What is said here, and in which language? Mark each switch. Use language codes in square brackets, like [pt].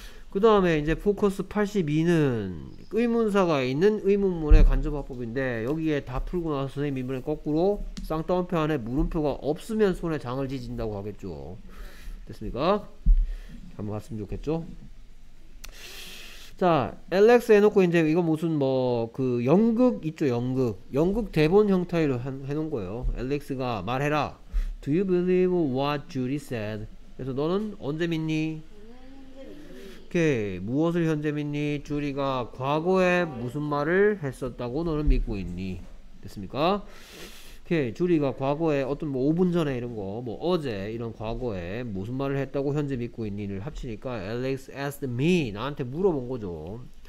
[ko] 그 다음에 이제 포커스 82는 의문사가 있는 의문문의 간접화법인데 여기에 다 풀고 나서 선생님 이번에 거꾸로 쌍따옴표 안에 물음표가 없으면 손에 장을 지진다고 하겠죠. 됐습니까? 한번 봤으면 좋겠죠. 자 LX 해놓고 이제 이거 무슨 뭐 그 연극 있죠 연극 연극 대본 형태로 해놓은 거예요. [en] LX가 [ko] 말해라 [en] Do you believe what Julie said? [ko] 그래서 너는 언제 믿니? 오케이 무엇을 현재 믿니? 줄이가 과거에 무슨 말을 했었다고 너는 믿고 있니? 됐습니까? 오케이 줄이가 과거에 어떤 뭐 5분 전에 이런 거 뭐 어제 이런 과거에 무슨 말을 했다고 현재 믿고 있니?를 합치니까 [en] Alex asked me [ko] 나한테 물어본 거죠.